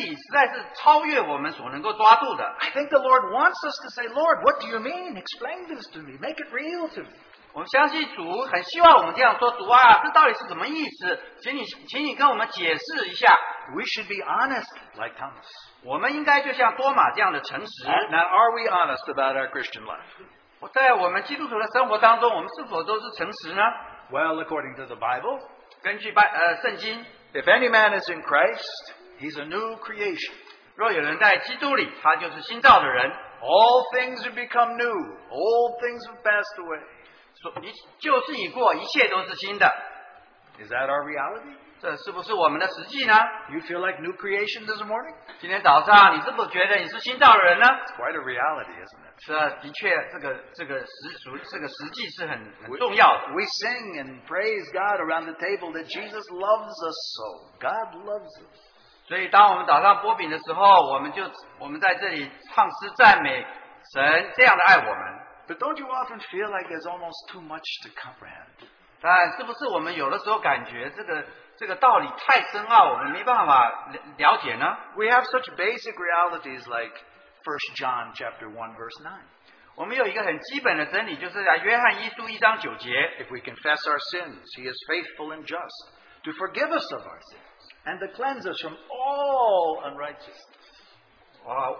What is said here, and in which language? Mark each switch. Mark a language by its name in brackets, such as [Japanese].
[Chinese] 相信这么伟大的这个真理实在是超越我们所能够抓住的。 [English] I think the Lord wants us to say, Lord, what do you mean? Explain this to me. Make it real to me. [Chinese] 我们相信主很希望我们这样说，主啊，这到底是什么意思？请你跟我们解释一下。 [English] We should be honest like Thomas. [Chinese] 我们应该就像多马这样的诚实。 [English] Now, are we honest about our Christian life? [Chinese] 在我们基督徒的生活当中，我们是否都是诚实呢？ [English] Well, according to the Bible, [Chinese] 根据圣经, [English] if any man is in Christ, he's a new creation. [Chinese] 若有人在基督里，他就是新造的人。 [English] All things have become new. Old things have passed away. [Chinese] 旧事已过，一切都是新的。 [English] Is that our reality? [Chinese] 这是不是我们的实际呢？ [English] You feel like new creation this morning? [Chinese] 今天早上，你是否觉得你是新造的人呢？ [English] It's quite a reality, isn't it? [Chinese] 是啊，的确，这个实际是很重要的。 [English] We sing and praise God around the table that Jesus loves us so. God loves us. [Chinese] 所以当我们早上擘饼的时候，我们在这里唱诗赞美神这样的爱我们。 [English] But don't you often feel like there's almost too much to comprehend? [Chinese] 但是不是我们有的时候感觉这个道理太深奥，我们没办法了解呢？ [English] We have such basic realities like 1 John chapter 1 verse 9. [Chinese] 我们有一个很基本的真理，就是约翰一书一章九节。 [English] If we confess our sins, he is faithful and just to forgive us of our sins and to cleanse us from all unrighteousness.